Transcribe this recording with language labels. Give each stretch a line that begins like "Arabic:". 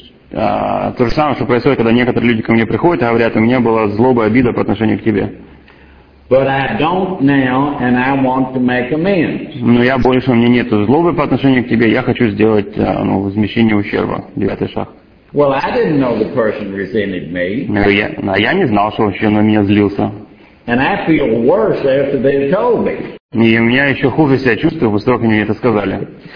Russian: То же самое, что происходит, когда некоторые люди ко мне приходят и говорят, у меня была злоба и обида по отношению к тебе.
English: But I don't now, and I want to make amends.
Russian: Но я больше, у меня нет злобы по отношению к тебе, я хочу сделать ну, возмещение ущерба, девятый шаг.
English: Well, I didn't know the person resented me.
Russian: Я не знал, что вообще на меня злился.
English: And I feel worse after they told me.
Russian: И у меня еще хуже себя чувствую, после того, как мне это сказали.